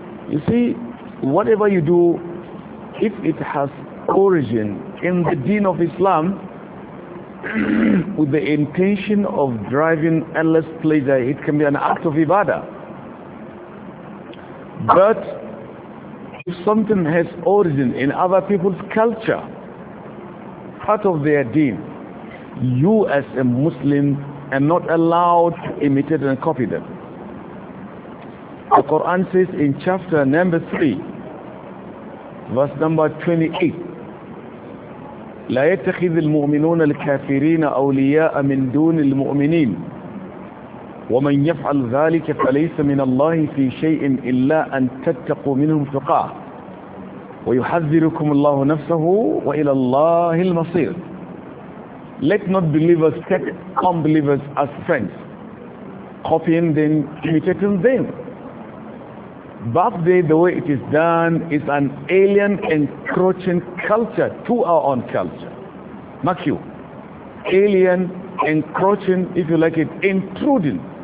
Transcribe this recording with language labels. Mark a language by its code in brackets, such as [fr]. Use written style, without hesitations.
[en] You see, whatever you do, if it has origin in the deen of Islam with the intention of driving endless pleasure, it can be an act of ibadah. But if something has origin in other people's culture, part of their deen, you as a Muslim are not allowed to imitate and copy them. The Quran says in chapter number 3, verse number 28, [ar] لَا يَتَّخِذِ الْمُؤْمِنُونَ الْكَافِرِينَ أَوْلِيَاءَ مِنْ دُونِ الْمُؤْمِنِينَ وَمَنْ يَفْعَلْ ذَلِكَ فَلَيْسَ مِنَ اللَّهِ فِي شَيْءٍ إِلَّا أَنْ تَتَّقُوا مِنْهُمْ فُقَاهُ وَيُحَذِّرُكُمُ اللَّهُ نَفْسَهُ وَإِلَى اللَّهِ الْمَصِيرُ. [en] Let not believers take unbelievers as friends, copying them, imitating them. Birthday, the way it is done, is an alien encroaching culture to our own culture. Mark you, alien encroaching, if you like it, intruding.